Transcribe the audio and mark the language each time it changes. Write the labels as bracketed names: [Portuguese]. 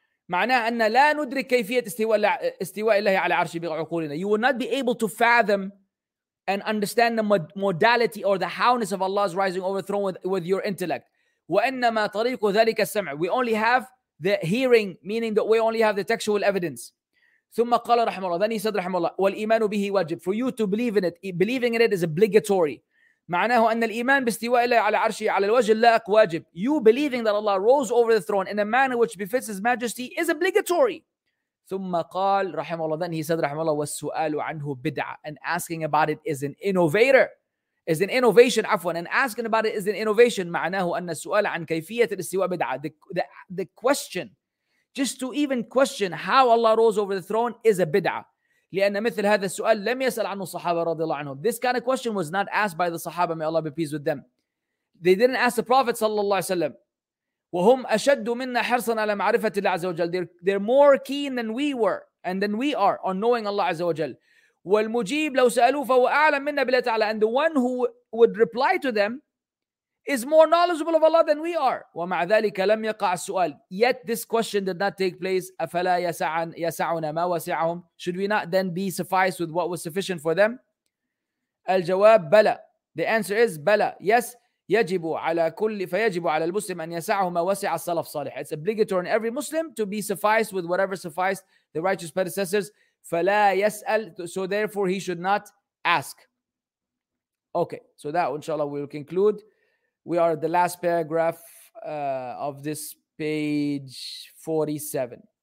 [Arabic] معناه أن لا ندرك كيفية استواء الله على عرشه بعقولنا. [English] You will not be able to fathom and understand the modality or the howness of Allah's rising over the throne with your intellect. [Arabic] وإنما طريق ذلك السمع. [English] We only have the hearing, meaning that we only have the textual evidence. [Arabic] ثم قال رحمه الله, [English] then he said رحمه الله, [Arabic] والإيمان به واجب. [English] For you to believe in it, believing in it is obligatory. [Arabic] معناه أن الإيمان باستواء الله على عرشه على الوجه اللائق واجب. [English] You believing that Allah rose over the throne in a manner which befits His majesty is obligatory. [Arabic] ثم قال رحمه الله, [English] then he said [Arabic] رحمه الله, والسؤال عنه بدعة. [English] And asking about it is an innovator. Is an innovation, afwan. And asking about it is an innovation. [Arabic] معناه أن السؤال عن كيفية الاستواء بدعة. [English] The question, just to even question how Allah rose over the throne is a bid'ah. [Arabic] لأن مثل هذا السؤال لم يسأل عنه الصحابة رضي الله عنهم. [English] This kind of question was not asked by the صحابة, may Allah be pleased with them. They didn't ask the Prophet صلى الله عليه وسلم. [Arabic] وهم أشد منا حرصا على معرفة الله عز وجل. [English] They're more keen than we were and than we are on knowing Allah عز وجل. [Arabic] والمجيب لو سألوه فهو أعلم منا بلا تعالى. [English] And the one who would reply to them is more knowledgeable of Allah than we are. [Arabic] ومع ذلك لم يقع السؤال. [English] Yet this question did not take place. [Arabic] أفلا يسعنا ما وسعهم. [English] Should we not then be sufficed with what was sufficient for them? [Arabic] الجواب بلى. [English] The answer is بلى. Yes. [Arabic] يجب على كل فيجب على المسلم أن يسعه ما وسع السلف الصالح. [English] It's obligatory on every Muslim to be sufficed with whatever sufficed the righteous predecessors. [Arabic] فلا يسأل. [English] So therefore he should not ask. Okay. So that inshallah we will conclude. We are at the last paragraph of this page 47.